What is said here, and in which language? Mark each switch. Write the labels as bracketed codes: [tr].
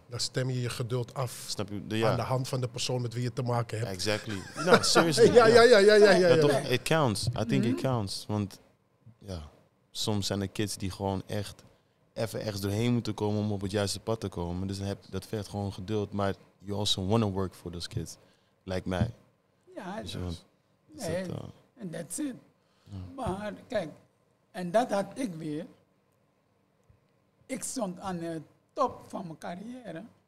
[nl] Dan stem je je geduld af. Snap je? De, ja. Aan de hand van de persoon met wie je te maken hebt. [en] Exactly. No, seriously. [nl] Ja. [en] It counts. I think it counts. [nl] Want, ja, soms zijn er kids die gewoon echt... even ergens doorheen moeten komen om op het juiste pad te komen. Dus dat vergt gewoon geduld. [en] Maar you also want to work for those kids. Like mij. [nl] Ja, dus. Nee, en that's it. Ja. Maar kijk, en dat had ik weer. Ik stond aan de top van mijn carrière.